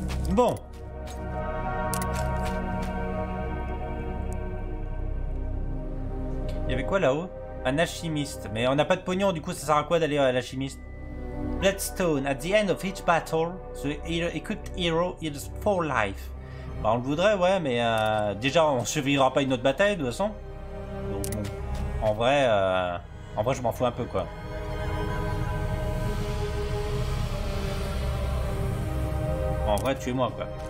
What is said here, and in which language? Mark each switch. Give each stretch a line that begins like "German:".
French: Bon. Il y avait quoi là-haut? Un alchimiste. Mais on n'a pas de pognon, du coup ça sert à quoi d'aller à l'alchimiste?
English: Bloodstone, at the end of each battle, the equipped hero is for life.
French: Bah on le voudrait, ouais, mais déjà on survivra pas une autre bataille de toute façon. Donc bon. En vrai je m'en fous un peu quoi. En vrai, tuez-moi quoi.